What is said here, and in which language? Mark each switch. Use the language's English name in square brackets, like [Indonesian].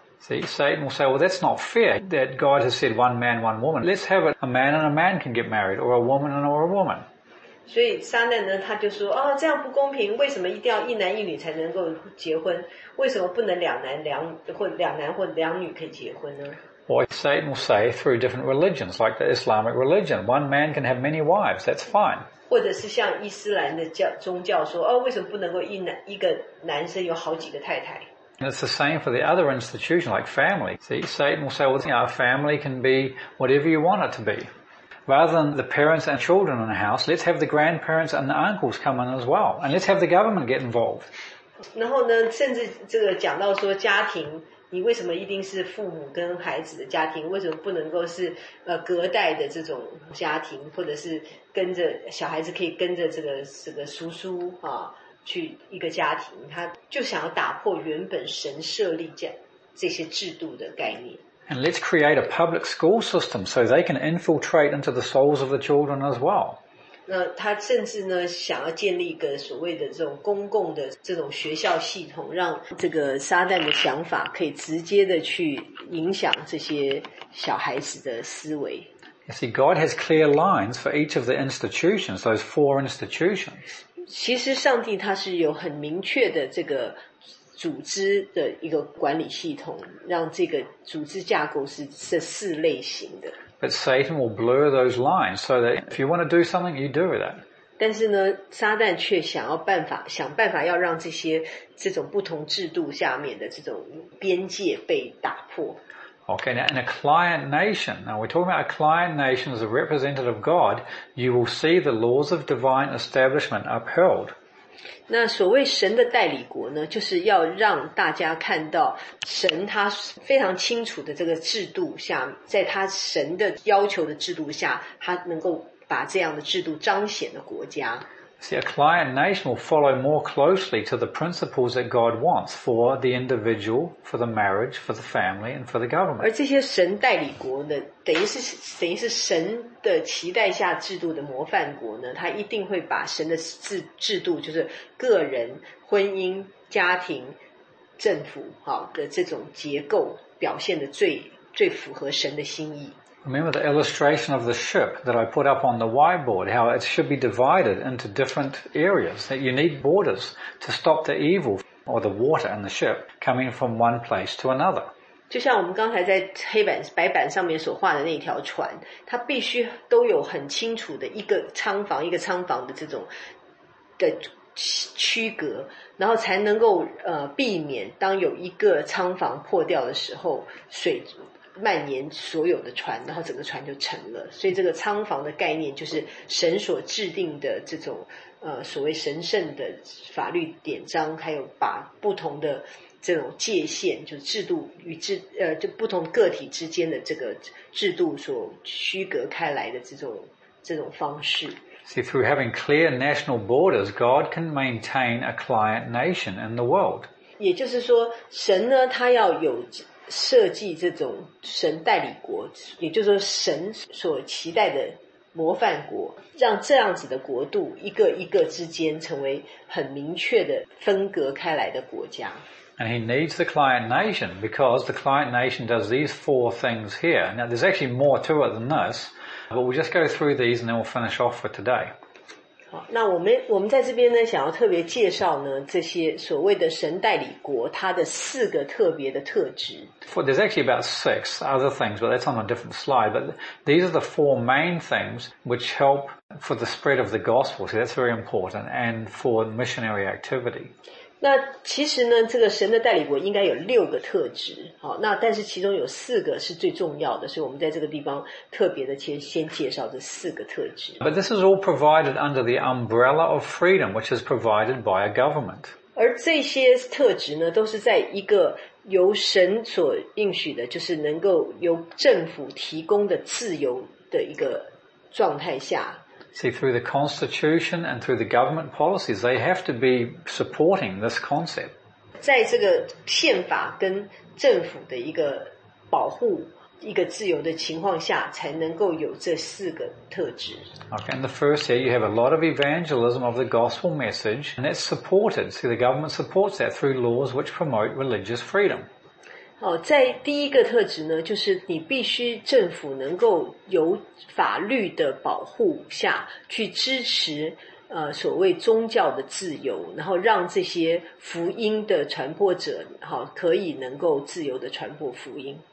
[English] See, Satan will say, well, that's not fair that God has said one man, one woman. Let's have it a man and a man can get married, or a woman and a woman. [Chinese] 所以沙难呢他就说，哦，这样不公平，为什么一定要一男一女才能够结婚，为什么不能两男或两女可以结婚呢？ [English] Well, Satan will say through different religions, like the Islamic religion, one man can have many wives, that's fine. [Chinese] 或者是像伊斯兰的宗教说，哦，为什么不能够一个男生有好几个太太？ [English] And it's the same for the other institution, like family. See, Satan will say, well, our family can be whatever you want it to be. Rather than the parents and children in the house, let's have the grandparents and the uncles come in as well. And let's have the government get involved. [Chinese] 然后呢，甚至这个讲到说家庭，你为什么一定是父母跟孩子的家庭？为什么不能够是隔代的这种家庭，或者是跟着小孩子可以跟着这个叔叔啊去一个家庭？他就想要打破原本神设立这些制度的概念。 [English] And let's create a public school system so they can infiltrate into the souls of the children as well. [Chinese] 那他甚至呢想要建立一个所谓的这种公共的这种学校系统，让这个撒旦的想法可以直接的去影响这些小孩子的思维。 [English] You see, God has clear lines for each of the institutions, those four institutions. [Chinese] 其实上帝他是有很明确的这个组织的一个管理系统，让这个组织架构是这四类型的。 [English] But Satan will blur those lines so that if you want to do something, you do that. [Chinese] 但是呢，撒旦却想办法要让这种不同制度下面的这种边界被打破。 [English] Okay, now in a client nation, now we're talking about a client nation as a representative of God, you will see the laws of divine establishment upheld. [Chinese] 那所谓神的代理国呢，就是要让大家看到神他非常清楚的这个制度下，在他神的要求的制度下，他能够把这样的制度彰显的国家。 [English] See, a client nation will follow more closely to the principles that God wants for the individual, for the marriage, for the family, and for the government. [Chinese] 而这些神代理国呢，等于是神的期待下制度的模范国呢，他一定会把神的制度，就是个人、婚姻、家庭、政府，好的这种结构表现得最符合神的心意。 [English] Remember the illustration of the ship that I put up on the whiteboard, how it should be divided into different areas, that you need borders to stop the evil or the water in the ship coming from one place to another. [Chinese] 就像我们刚才在白板上面所画的那条船，它必须都有很清楚的一个仓房的这种的区隔，然后才能够避免当有一个仓房破掉的时候，水蔓延所有的船，然后整个船就沉了。所以这个仓房的概念就是神所制定的这种所谓神圣的法律典章，还有把不同的这种界限，就制度与就不同个体之间的这个制度所区隔开来的这种方式。 [English] See, through having clear national borders, God can maintain a client nation in the world. [Chinese] 也就是说，神呢，他要有设计这种神代理国，也就是说神所期待的模范国，让这样子的国度一个一个之间成为很明确的分隔开来的国家。 [English] And he needs the client nation because the client nation does these four things here. Now there's actually more to it than this, but we'll just go through these and then we'll finish off for today. [Chinese] 好，那我们在这边呢，想要特别介绍呢，这些所谓的神代理国，它的四个特别的特质。 [English] There's actually about six other things, but that's on a different slide. But these are the four main things which help for the spread of the gospel. So that's very important, and for missionary activity. [Chinese] 那其实呢，这个神的代理国应该有六个特质。好，那但是其中有四个是最重要的，所以我们在这个地方特别的先介绍这四个特质。 [English] But this is all provided under the umbrella of freedom, which is provided by a government. [Chinese] 而这些特质呢，都是在一个由神所应许的，就是能够由政府提供的自由的一个状态下。 [English] See, through the Constitution and through the government policies, they have to be supporting this concept. [Chinese] 在这个宪法跟政府的一个保护、一个自由的情况下，才能够有这四个特质。 [English] Okay, and the first here, you have a lot of evangelism of the gospel message, and that's supported. See, the government supports that through laws which promote religious freedom. [Chinese] 哦，在第一个特质呢，就是你必须政府能够有法律的保护下去支持所谓宗教的自由，然后让这些福音的传播者好可以能够自由的传播福音。